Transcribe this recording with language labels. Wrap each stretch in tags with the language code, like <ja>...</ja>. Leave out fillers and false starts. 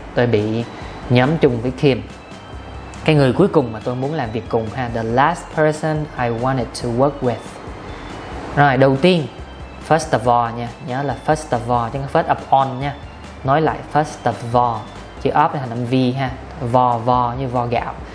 <vi>Tôi bị nhóm chung với Kim, cái người cuối cùng mà tôi muốn làm việc cùng ha.</vi> <en>The last person I wanted to work with.</en> <vi>Rồi, đầu tiên,</vi> <en>first of all</en> <vi>nha, nhớ là first of all, chứ không first of all nha. Nói lại,</vi> <en>first of all,</en> <vi>chữ up là thành âm V ha, vò như vò gạo.</vi>